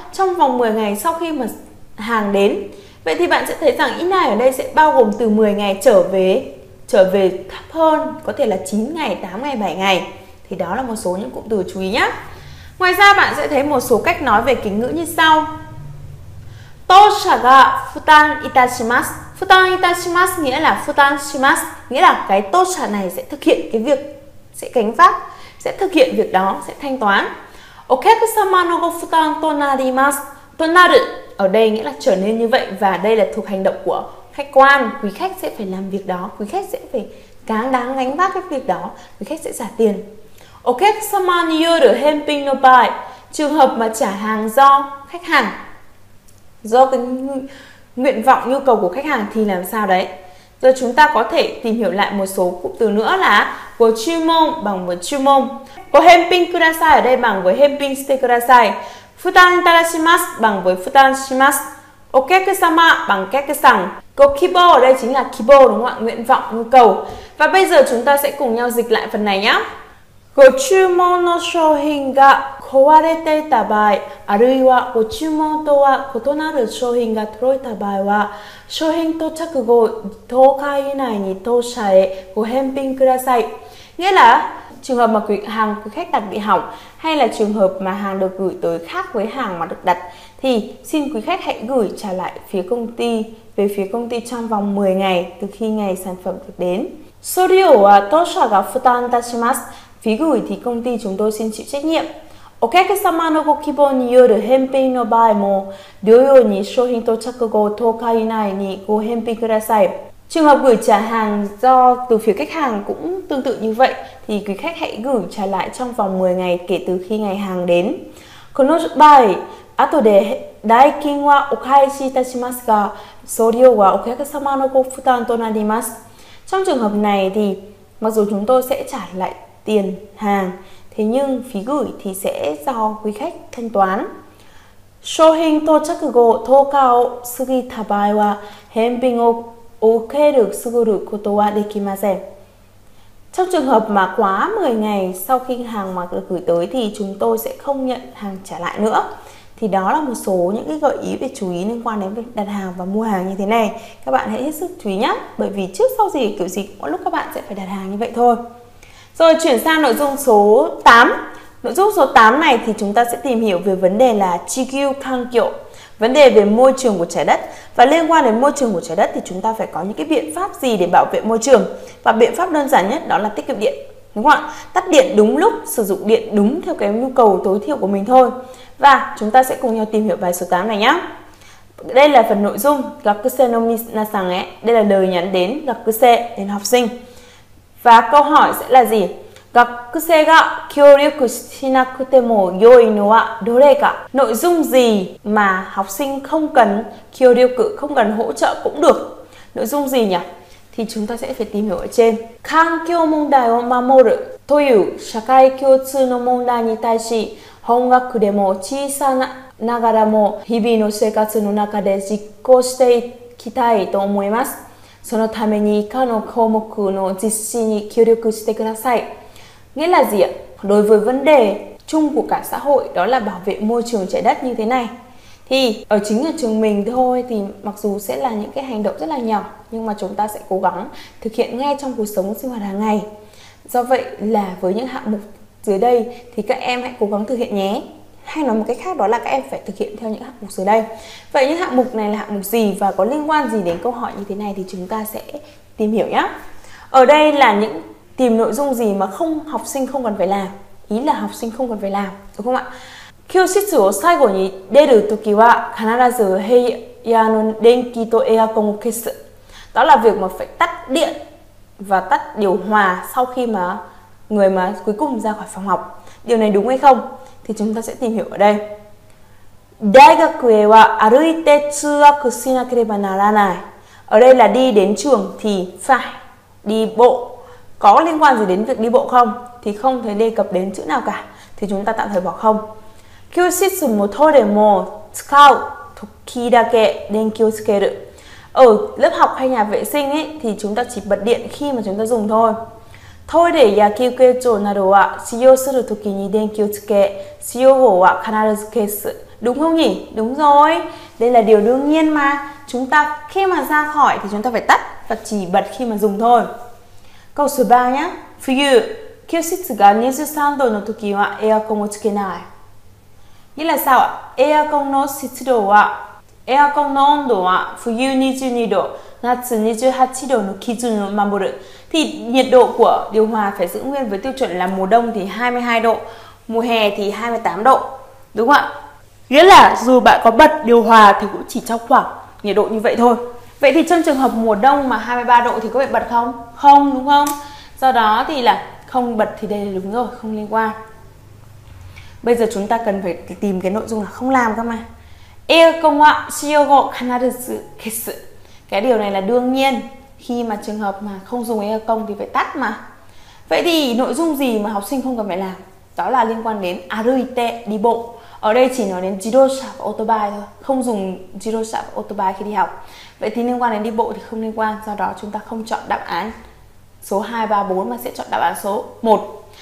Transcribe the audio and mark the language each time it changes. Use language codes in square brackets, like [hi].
[vi] Trong vòng 10 ngày sau khi mà hàng đến. Vậy thì bạn sẽ thấy rằng ít này ở đây sẽ bao gồm từ 10 ngày trở về thấp hơn, có thể là 9 ngày, 8 ngày, 7 ngày. Thì đó là một số những cụm từ chú ý nhé. Ngoài ra bạn sẽ thấy một số cách nói về kính ngữ như sau. [ja] 도착가 부담 이타시마스. 부담 이타시마스 [vi] nghĩa là [ja] 부담시마스, [vi] nghĩa là cái 도착 này sẽ thực hiện cái việc, sẽ gánh vác, sẽ thực hiện việc đó, sẽ thanh toán. [ja] お客様 の ご負担 となります. [vi] となる ở đây nghĩa là trở nên như vậy, và đây là thuộc hành động của khách quan, quý khách sẽ phải làm việc đó, quý khách sẽ phải cáng đáng gánh vác cái việc đó, quý khách sẽ trả tiền. [ja] お客様 による返品の場合, [vi] trường hợp mà trả hàng do khách hàng, do cái nguyện vọng, nhu cầu của khách hàng thì làm sao đấy? Giờ chúng ta có thể tìm hiểu lại một số cụm từ nữa là ご注文 bằng với 注文. [ja] ご返品ください [vi] ở đây bằng với [ja] 返品してください. 負担いたします [vi] bằng với [ja] 負担します. [vi] お客様 bằng客さん. ご希望 ở đây chính là 希望, đúng không ạ? Nguyện vọng, nhu cầu. Và bây giờ chúng ta sẽ cùng nhau dịch lại phần này nhé. [ja] ご注文の商品が壊れていた場合、あるいはご注文とは異なる商品が届いた場合は、商品到着後10日以内に当社へご返品ください。 [vi] Nghĩa là trường hợp mà hàng của khách đặt bị hỏng, hay là trường hợp mà hàng được gửi tới khác với hàng mà được đặt, thì xin quý khách hãy gửi trả lại phía công ty, về phía công ty trong vòng 10 ngày từ khi ngày sản phẩm được đến. [ja] 送料は当社が負担いたします。 [vi] Phí gửi thì công ty chúng tôi xin chịu trách nhiệm. [ja] お客様のご希望による返品の場合も同様に商品到着後10日以内にご返品ください。 [vi] Trường hợp gửi trả hàng do từ phía khách hàng cũng tương tự như vậy, thì quý khách hãy gửi trả lại trong vòng 10 ngày kể từ khi ngày hàng đến. [ja] この場合、後で代金はお返しいたしますが、送料はお客様のご負担となります。 [vi] Trong trường hợp này thì mặc dù chúng tôi sẽ trả lại tiền hàng, thế nhưng phí gửi thì sẽ do quý khách thanh toán. [ja] 商品到着後10日を過ぎた場合は返品を受けるすぐることはできません。 [vi] Trong trường hợp mà quá 10 ngày sau khi hàng mà được gửi tới thì chúng tôi sẽ không nhận hàng trả lại nữa. Thì đó là một số những cái gợi ý về chú ý liên quan đến việc đặt hàng và mua hàng như thế này. Các bạn hãy hết sức chú ý nhé, bởi vì trước sau gì kiểu gì mỗi lúc các bạn sẽ phải đặt hàng như vậy thôi. Rồi chuyển sang nội dung số 8. Nội dung số 8 này thì chúng ta sẽ tìm hiểu về vấn đề là [ja] 지구 환경, [vi] vấn đề về môi trường của trái đất. Và liên quan đến môi trường của trái đất thì chúng ta phải có những cái biện pháp gì để bảo vệ môi trường. Và biện pháp đơn giản nhất đó là tiết kiệm điện, đúng không ạ? Tắt điện đúng lúc, sử dụng điện đúng theo cái nhu cầu tối thiểu của mình thôi. Và chúng ta sẽ cùng nhau tìm hiểu bài số 8 này nhé. Đây là phần nội dung [ja] Gakusei no Minasan-e, [vi] đây là lời nhắn đến Gakusei, đến học sinh. Và câu hỏi sẽ là gì? [ja] 学生が協力しなくても良いのはどれか? [vi] Nội dung gì mà học sinh không cần協力, không cần hỗ trợ cũng được? Nội dung gì nhỉ? Thì chúng ta sẽ phải tìm hiểu ở trên. [ja] 環境問題を守るという社会共通の問題に対し、本学でも小さながらも日々の生活の中で実行していきたいと思います。そのために以下の項目の実施に協力してください。 [vi] Nghĩa là gì ạ? Đối với vấn đề chung của cả xã hội, đó là bảo vệ môi trường trái đất như thế này. Thì ở chính ở trường mình thôi thì mặc dù sẽ là những cái hành động rất là nhỏ, nhưng mà chúng ta sẽ cố gắng thực hiện ngay trong cuộc sống sinh hoạt hàng ngày. Do vậy là với những hạng mục dưới đây thì các em hãy cố gắng thực hiện nhé. Hay nói một cách khác, đó là các em phải thực hiện theo những hạng mục dưới đây. Vậy những hạng mục này là hạng mục gì và có liên quan gì đến câu hỏi như thế này thì chúng ta sẽ tìm hiểu nhé. Ở đây là những tìm nội dung gì mà không học sinh không cần phải làm. Ý là học sinh không cần phải làm, đúng không ạ? [ja] 教室を最後に出るときは必ず部屋の電気とエアコンを消す。 [vi] Đó là việc mà phải tắt điện và tắt điều hòa sau khi mà người mà cuối cùng ra khỏi phòng học. Điều này đúng hay không? Thì chúng ta sẽ tìm hiểu ở đây. [ja] 大学へは歩いて通学しなければならない。 [vi] Ở đây là đi đến trường thì phải đi bộ. Có liên quan gì đến việc đi bộ không? Thì không thấy đề cập đến chữ nào cả. Thì chúng ta tạm thời bỏ không. [ja] 教室もトイレも使う時だけ電気をつける。 [vi] Ở lớp học hay nhà vệ sinh ấy thì chúng ta chỉ bật điện khi mà chúng ta dùng thôi. [ja] トイレや休憩所などは使用する時に電気をつけ、使用後は必ず消す。 [vi] Đúng không nhỉ? Đúng rồi. Đây là điều đương nhiên mà. Chúng ta khi mà ra khỏi thì chúng ta phải tắt và chỉ bật khi mà dùng thôi. Câu số 3 nhé. [ja] 冬、教室が23度の時はエアコンをつけない。 [vi] Nghĩa là sao ạ? [ja] Aircon の湿度は Aircon の温度は冬22度、夏28度の基準を守る。 [vi] Thì nhiệt độ của điều hòa phải giữ nguyên với tiêu chuẩn là mùa đông thì 22 độ, mùa hè thì 28 độ. Đúng không ạ? Nghĩa là dù bạn có bật điều hòa thì cũng chỉ trong khoảng nhiệt độ như vậy thôi. Vậy thì trong trường hợp mùa đông mà 23 độ thì có bị bật không? Không, đúng không? Do đó thì là không bật thì đây là đúng rồi, không liên quan. Bây giờ chúng ta cần phải tìm cái nội dung là không làm cơ mà. [ja] Aircon は使用後必ず消す. [vi] Cái điều này là đương nhiên. Khi mà trường hợp mà không dùng aircon thì phải tắt mà. Vậy thì nội dung gì mà học sinh không cần phải làm? Đó là liên quan đến aruite, đi bộ. Ở đây chỉ nói đến jidosha và otobai thôi. Không dùng jidosha và otobai khi đi học. Vậy thì liên quan đến đi bộ thì không liên quan. Do đó chúng ta không chọn đáp án số 2, 3, 4 mà sẽ chọn đáp án số 1.